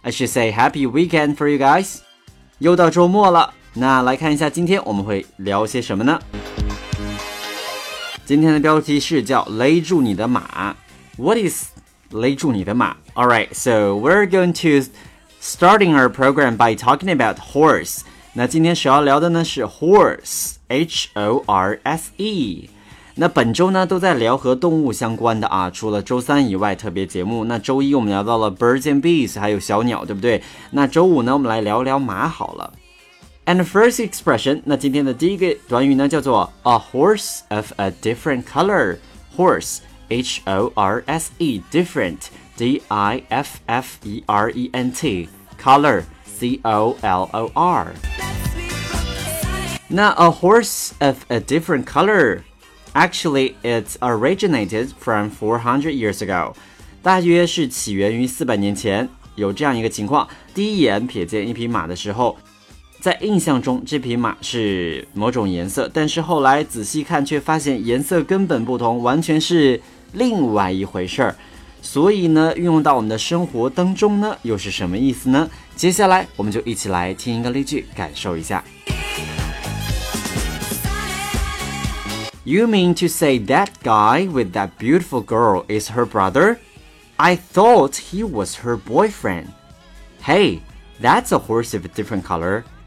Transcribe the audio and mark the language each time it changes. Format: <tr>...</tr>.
<en>I should say happy weekend for you guys.</en> <zh>又到周末了，那来看一下今天我们会聊些什么呢？今天的标题是叫勒住你的马。</zh> <en>What is...</en> <zh>勒住你的马</zh> <en>Alright, so we're going to starting our program by talking about horse.</en> <zh>那今天需要聊的呢是 horse, H-O-R-S-E. 那本周呢都在聊和动物相关的啊，除了周三以外特别节目。那周一我们聊到了 birds and bees, 还有小鸟，对不对？那周五呢我们来聊聊马好了。</zh> <en>And the first expression,</en> <zh>那今天的第一个短语呢叫做</zh> <en>a horse of a different color, horse. H-O-R-S-E, different, D-I-F-F-E-R-E-N-T, color, C-O-L-O-R. 那 a horse of a different color, actually it originated from 400 years ago,</en> <zh>大约是起源于400年前。有这样一个情况，第一眼瞥见一匹马的时候，在印象中这匹马是某种颜色，但是后来仔细看却发现颜色根本不同，完全是另外一回事儿，所以呢，运用到我们的生活当中呢，又是什么意思呢？接下来我们就一起来听一个例句，感受一下。</zh> <en>You mean to say that guy with that beautiful girl is her brother? I thought he was her boyfriend. Hey, that's a horse of a different color.</en>